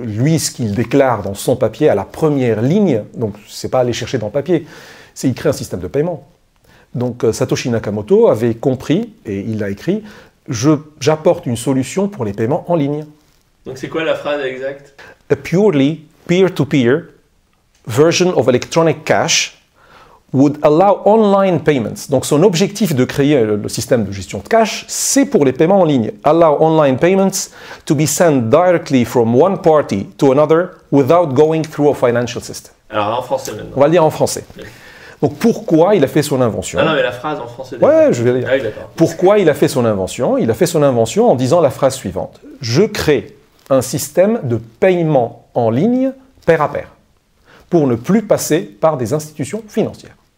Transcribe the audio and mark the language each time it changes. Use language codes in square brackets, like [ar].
[fr] Lui, ce qu'il déclare dans son papier à la première ligne, donc ce n'est pas aller chercher dans le papier, c'est qu'il crée un système de paiement. Donc Satoshi Nakamoto avait compris, et il l'a écrit, j'apporte une solution pour les paiements en ligne. Donc c'est quoi la phrase exacte? [en] A purely peer-to-peer version of electronic cash would allow online payments. [fr] Donc son objectif de créer le système de gestion de cash, c'est pour les paiements en ligne. [en] Allow online payments to be sent directly from one party to another without going through a financial system. [fr] Alors en français maintenant. On va le dire en français. Donc pourquoi il a fait son invention? Non, mais la phrase en français. Ouais, je vais le dire. Ah, oui, d'accord. Pourquoi il a fait son invention? Il a fait son invention en disant la phrase suivante. Je crée un système de paiement en ligne pair à pair pour ne plus passer par des institutions financières.